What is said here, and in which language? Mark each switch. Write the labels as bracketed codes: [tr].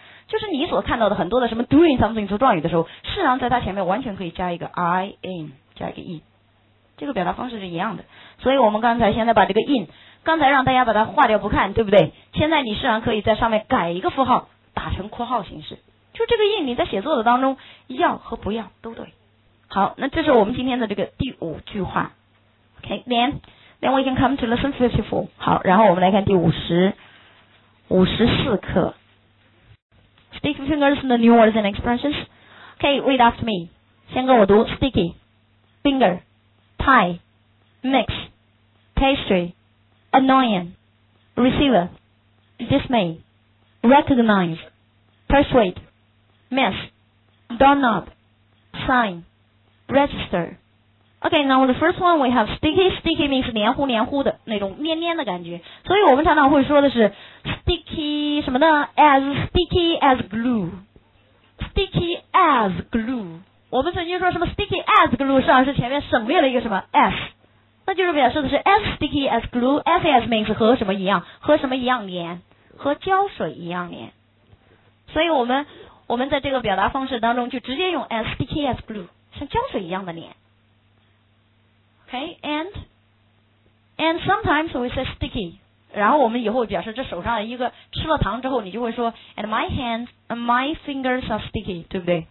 [zh] 就是你所看到的很多的什么 [en] doing something [zh] 做状语的时候，事实上在它前面完全可以加一个 [en] I am [zh] 加一个 in， 这个表达方式是一样的。所以我们刚才现在把这个 in， 刚才让大家把它划掉不看，对不对？现在你事实上可以在上面改一个符号，打成括号形式，就这个 in 你在写作的当中要和不要都对。好，那这是我们今天的这个第五句话。 [en] OK, then we can come to lesson 54. [zh] 好，然后我们来看第54课。 [en] Stick your fingers in the new words and expressions. OK, read after me. [zh] 先跟我读 [en] Sticky Finger Pie Mix Pastry Annoying Receiver Dismay Recognize Persuade Mess Doorknob SignRegister. OK, now the first one we have sticky. Sticky means [zh] 黏糊黏糊的那种黏黏的感觉，所以我们常常会说的是 sticky 什么呢， [en] as sticky as glue, sticky as glue. [zh] 我们曾经说什么 [en] sticky as glue， [zh] 实际上是前面省略了一个什么 as， 那就是表示的是 [en] as sticky as glue. As as means [zh] 和什么一样，和什么一样黏，和胶水一样黏。所以我们在这个表达方式当中就直接用 [en] as sticky as glue， [zh] 像胶水一样的黏。 [en] OK, and sometimes we say sticky, [zh] 然后我们以后表示这手上一个吃了糖之后，你就会说 [en] and my hands and my fingers are sticky, [zh] 对不对？